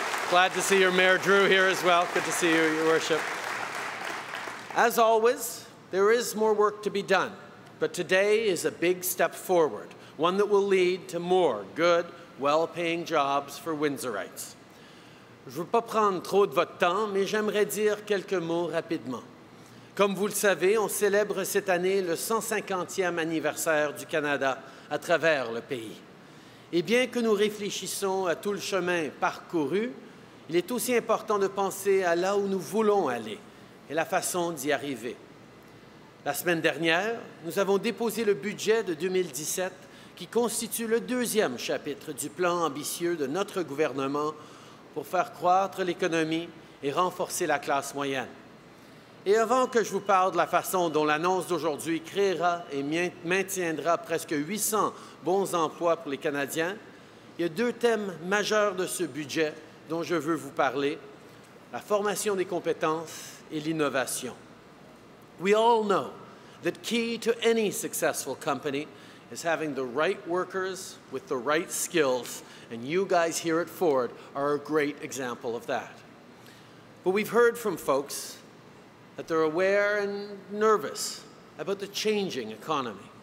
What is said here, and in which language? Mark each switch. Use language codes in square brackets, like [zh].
[en] Glad to see your Mayor Drew here as well. Good to see you, Your Worship. As always, there is more work to be done, but today is a big step forward, one that will lead to more good, well-paying jobs for Windsorites. [fr] Je ne veux pas prendre trop de votre temps, mais j'aimerais dire quelques mots rapidement. Comme vous le savez, on célèbre cette année le 150e anniversaire du Canada à travers le pays. Et bien que nous réfléchissons à tout le chemin parcouru, il est aussi important de penser à là où nous voulons aller et la façon d'y arriver. La semaine dernière, nous avons déposé le budget de 2017 qui constitue le deuxième chapitre du plan ambitieux de notre gouvernement pour faire croître l'économie et renforcer la classe moyenne. Et avant que je vous parle de la façon dont l'annonce d'aujourd'hui créera et maintiendra presque 800 bons emplois pour les Canadiens, il y a deux thèmes majeurs de ce budget dont je veux vous parler, la formation des compétences et l'innovation. [en] We all know that key to any successful company is having the right workers with the right skills, and you guys here at Ford are a great example of that. But we've heard from folks that they're aware and nervous about the changing economy.